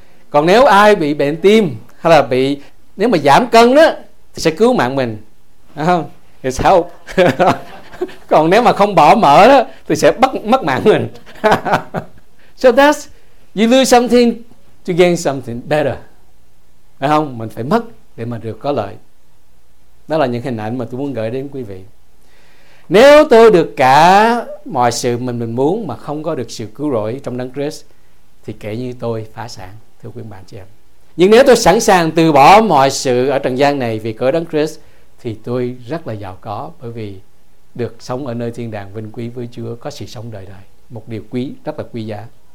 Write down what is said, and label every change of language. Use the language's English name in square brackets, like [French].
[Vietnamese] Còn nếu ai bị bệnh tim hay là bị, nếu mà giảm cân đó thì sẽ cứu mạng mình, không? [English] It's help. [Vietnamese] Còn nếu mà không bỏ mỡ đó thì sẽ mất mạng mình. [English] So that's, you lose something to gain something better, [Vietnamese] phải không? Mình phải mất để mà được có lợi. Đó là những hình ảnh mà tôi muốn gửi đến quý vị. Nếu tôi được cả mọi sự mình muốn mà không có được sự cứu rỗi trong Đấng Christ thì kể như tôi phá sản, thưa quý bạn chị em. Nhưng nếu tôi sẵn sàng từ bỏ mọi sự ở trần gian này vì cớ Đấng Christ thì tôi rất là giàu có, bởi vì được sống ở nơi thiên đàng vinh quý với Chúa, có sự sống đời đời, một điều quý, rất là quý giá.